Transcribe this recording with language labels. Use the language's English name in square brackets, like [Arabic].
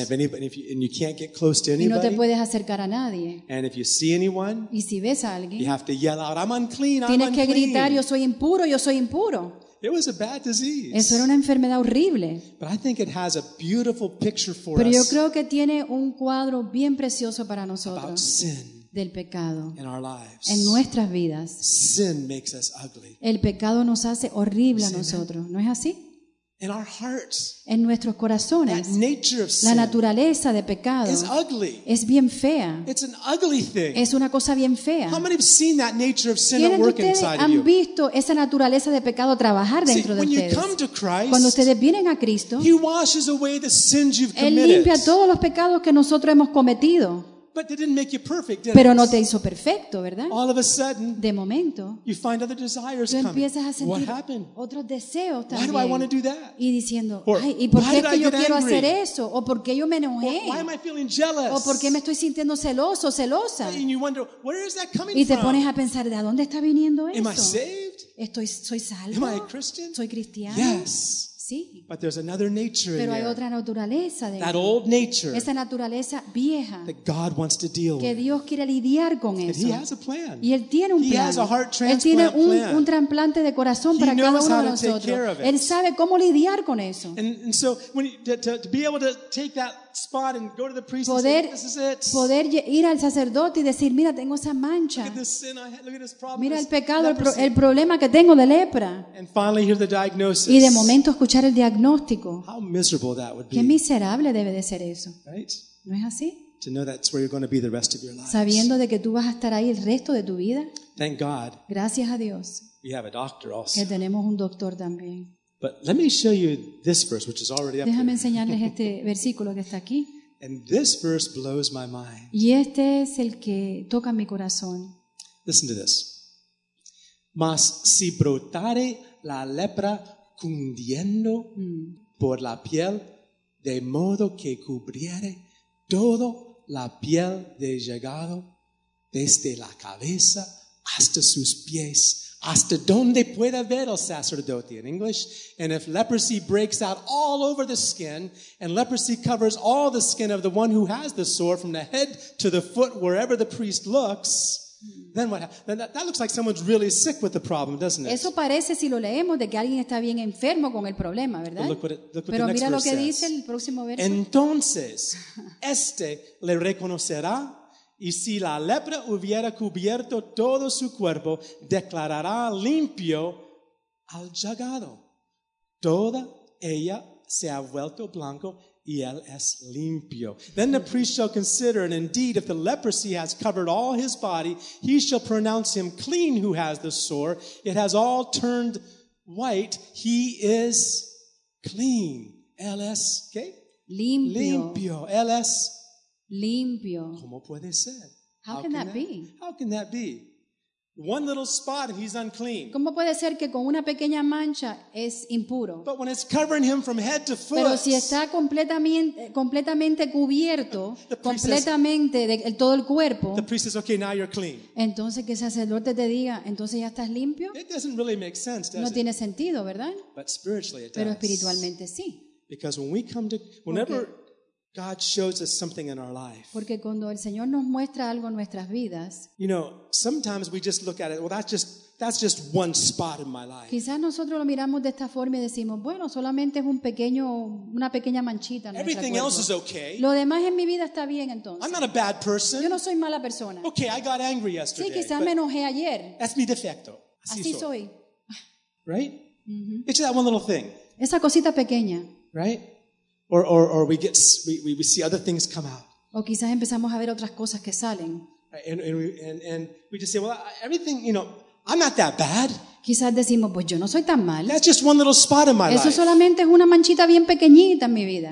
[English] And if you can't get close to anybody. [Spanish] Y no te puedes acercar a nadie. [English] And if you see anyone. [Spanish] Y si ves a alguien. [English] You have to yell out, I'm unclean, [Spanish] tienes [English] I'm unclean. [Spanish] Que gritar, yo soy impuro, yo soy impuro. [English] It was a bad disease. [Spanish] Eso era una enfermedad horrible. [English] But I think it has a beautiful picture for [Spanish] pero [English] us. [Spanish] Pero yo creo que tiene un cuadro bien precioso para nosotros. [English] About sin. [Spanish] Del pecado [English] in our lives. [Spanish] En nuestras vidas. [English] Sin makes us ugly. [Spanish] El pecado nos hace horrible sin a nosotros, ¿no es así? [English] In our hearts, [Spanish] en nuestros corazones, [English] that nature of sin, [Spanish] la naturaleza de pecado [English] is ugly. [Spanish] Es bien fea. [English] It's an ugly thing. [Spanish] Es una cosa bien fea. [English] How many have seen that nature of sin at work inside of you? [Spanish] ¿Quiénes de ustedes han visto esa naturaleza de pecado trabajar dentro de [English] when [Spanish] ustedes? [English] You come to Christ, [Spanish] cuando ustedes vienen a Cristo, [English] he washes away the sins you've committed. [Spanish] Él limpia todos los pecados que nosotros hemos cometido. [English] But it didn't make you perfect, did [Spanish] Pero no te hizo perfecto, ¿verdad? [English] All of a sudden, [Spanish] de momento, [English] you find other desires [Spanish] tú empiezas [English] coming. [Spanish] A sentir [English] What happened? [Spanish] Otros deseos también. [English] Why do I want to do that? [Spanish] Y diciendo, or, ay, ¿y por qué es que yo quiero hacer eso? ¿O por qué yo me enojé? [English] Or, why am I feeling jealous? [Spanish] ¿O por qué me estoy sintiendo celoso, celosa? [English] And you wonder, where is that coming [Spanish] y te [English] from? [Spanish] Pones a pensar, ¿de dónde está viniendo [English] am [Spanish] eso? [English] I saved? [Spanish] Estoy, ¿soy salvo? [English] Am I a Christian? [Spanish] ¿Soy cristiano? [English] Yes. [Spanish] Sí. [English] But there's another nature [Spanish] Pero hay [English] there. [Spanish] Otra naturaleza de [English] that old nature [Spanish] esa naturaleza vieja [English] that God wants to deal [Spanish] que [English] with. [Spanish] Dios quiere lidiar con [English] And [Spanish] eso. [English] He has a plan. [Spanish] Y Él tiene un [English] he [Spanish] plan. [English] Has a heart transplant [Spanish] Él tiene un, plan. Un trasplante de corazón [English] he [Spanish] para [English] knows [Spanish] cada uno [English] how [Spanish] de nosotros. [English] To take care of it. [Spanish] Él sabe cómo lidiar con eso. [English] And so when he, to be able to take that spot and go to the priest [Spanish] poder, [English] and say, this is it. [Spanish] Poder ir al sacerdote y decir, mira, tengo esa mancha. [English] Look at this sin, look at this problem, [Spanish] mira el pecado, el problema que tengo de lepra. [English] And finally hear the diagnosis. [Spanish] Y de momento escuchar el diagnóstico. [English] How miserable that would be. [Spanish] Qué miserable debe de ser eso. [English] Right? [Spanish] ¿No es así? Sabiendo de que tú vas a estar ahí el resto de tu vida. [English] Thank God. [Spanish] Gracias a Dios. [English] We have a doctor also. [Spanish] Que tenemos un doctor también. [English] But let me show you this verse, which is already up [Spanish] Déjame Enseñarles este versículo que está aquí. [English] And this verse blows my mind. [Spanish] Y este es el que toca mi corazón. [English] Listen to this. [Spanish] Mas si brotare la lepra cundiendo por la piel, de modo que cubriere toda la piel de llegado, desde la cabeza hasta sus pies, hasta donde pueda ver el sacerdote. [English] In English, and if leprosy breaks out all over the skin, and leprosy covers all the skin of the one who has the sore from the head to the foot, wherever the priest looks, then what happens? That looks like someone's really sick with the problem, doesn't it? [Spanish] Eso parece si lo leemos de que alguien está bien enfermo con el problema, ¿verdad? [English] But look what it, look what [Spanish] Pero [English] the next [Spanish] mira [English] verse [Spanish] lo que [English] says. [Spanish] Dice el próximo verso. Entonces, este le reconocerá. Y si la lepra hubiera cubierto todo su cuerpo, declarará limpio al llegado. Toda ella se ha vuelto blanco y él es limpio. [English] Then the priest shall consider, and indeed, if the leprosy has covered all his body, he shall pronounce him clean who has the sore. It has all turned white. He is clean. [Spanish] Él es, ¿qué? Limpio. Limpio. Él es limpio. ¿Cómo puede ser? [English] How can that be? One little spot and he's unclean. [Spanish] ¿Cómo puede ser que con una pequeña mancha es impuro? [English] But when it's covering him from head to foot. [Spanish] Pero si está completamente cubierto, completamente de todo el cuerpo. [English] The priest says, okay, now you're clean. [Spanish] Entonces que el sacerdote te diga, entonces ya estás limpio. [English] It doesn't really make sense, does [Spanish] no [English] it? [Spanish] Tiene sentido, ¿verdad? [English] But spiritually it does. [Spanish] Pero espiritualmente sí. [English] Because when we come to whenever okay. God shows us something in our life. [Spanish] Porque cuando el Señor nos muestra algo en nuestras vidas, [English] you know, sometimes we just look at it. Well, that's just one spot in my life. [Spanish] Quizás nosotros lo miramos de esta forma y decimos, bueno, solamente es una pequeña manchita. [English] Everything else is okay. [Spanish] Lo demás en mi vida está bien, entonces. [English] I'm not a bad person. [Spanish] Yo no soy mala persona. [English] Okay, I got angry yesterday. [Spanish] Sí, quizás me enojé ayer. Es mi defecto. Así soy. [English] Right? Mm-hmm. It's just that one little thing. [Spanish] Esa cosita pequeña. [English] Right? Or we see other things come out. [Spanish] O quizás empezamos a ver otras cosas que salen. [English] And we just say, well, everything, you know, I'm not that bad. [Spanish] Quizás decimos, pues yo no soy tan mal. [English] That's just one little spot in my [Spanish] Eso [English] life. [Spanish] Eso solamente es una manchita bien pequeñita en mi vida.